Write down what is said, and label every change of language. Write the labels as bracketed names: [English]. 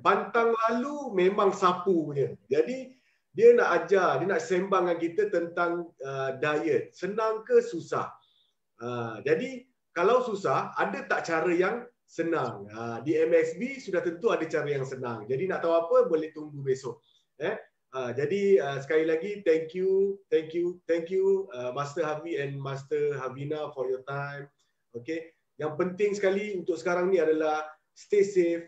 [Malay] Bantang lalu memang sapu punya. Jadi dia nak ajar, dia nak sembang dengan kita tentang diet. Senang ke susah? Jadi kalau susah, ada tak cara yang senang? Di MSB sudah tentu ada cara yang senang. Jadi nak tahu apa, boleh tunggu besok. Jadi sekali lagi, [English] thank you, thank you, thank you Master Harvey and Master Havina for your time. Okay. [Malay] Yang penting sekali untuk sekarang ni adalah [English] stay safe.